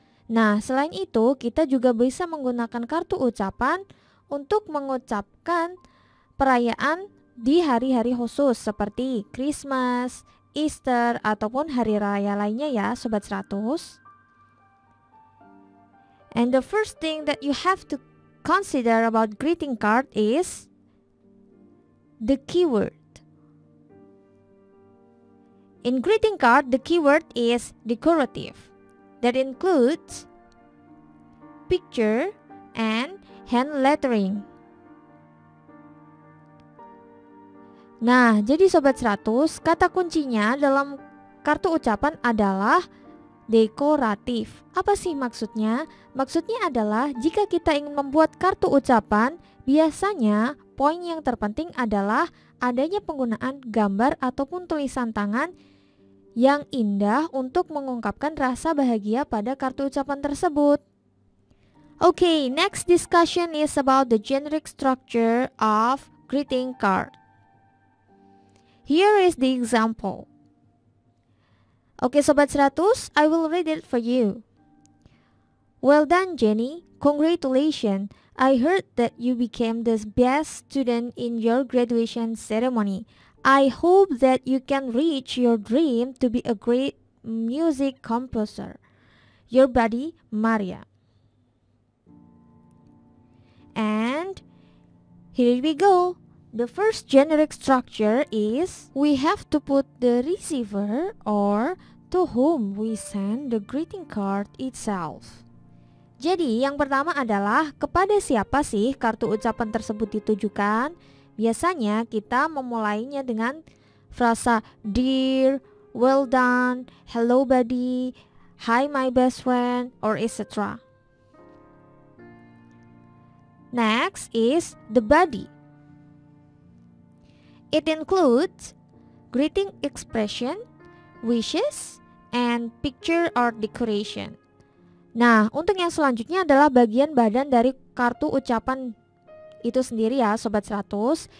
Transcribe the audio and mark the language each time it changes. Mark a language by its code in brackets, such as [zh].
[id] Nah, selain itu, kita juga bisa menggunakan kartu ucapan untuk mengucapkan perayaan di hari-hari khusus seperti Christmas, Easter, ataupun hari raya lainnya ya, Sobat 100. [en] And the first thing that you have to consider about greeting card is the keyword. In greeting card, the keyword is decorative. That includes picture and hand lettering. [id] Nah, jadi Sobat 100, kata kuncinya dalam kartu ucapan adalah dekoratif. Apa sih maksudnya? Maksudnya adalah jika kita ingin membuat kartu ucapan, biasanya poin yang terpenting adalah adanya penggunaan gambar ataupun tulisan tangan yang indah untuk mengungkapkan rasa bahagia pada kartu ucapan tersebut. [en] Okay, next discussion is about the generic structure of greeting card. Here is the example. Okay, Sobat 100, I will read it for you. Well done, Jenny. Congratulations. I heard that you became the best student in your graduation ceremony. I hope that you can reach your dream to be a great music composer. Your buddy, Maria. And here we go. The first generic structure is we have to put the receiver or to whom we send the greeting card itself. [id] Jadi yang pertama adalah kepada siapa sih kartu ucapan tersebut ditujukan? Biasanya kita memulainya dengan frasa [en] dear, well done, hello buddy, hi my best friend, or etc. Next is the body. It includes greeting expression, wishes, and picture or decoration. [id] Nah, untuk yang selanjutnya adalah bagian badan dari kartu ucapan itu sendiri ya, Sobat 100.